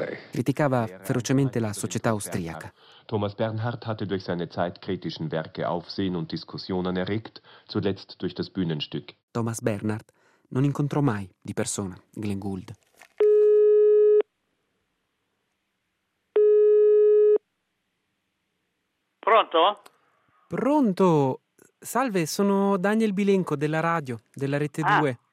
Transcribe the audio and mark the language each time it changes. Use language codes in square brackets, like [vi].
[it] Criticava ferocemente la società austriaca. [de] Thomas Bernhard hatte durch seine zeitkritischen Werke Aufsehen und Diskussionen erregt, zuletzt durch das Bühnenstück. [it] Thomas Bernhard non incontrò mai di persona Glenn Gould. Pronto? Pronto! Salve, sono Daniel Bilenco della radio, della Rete 2.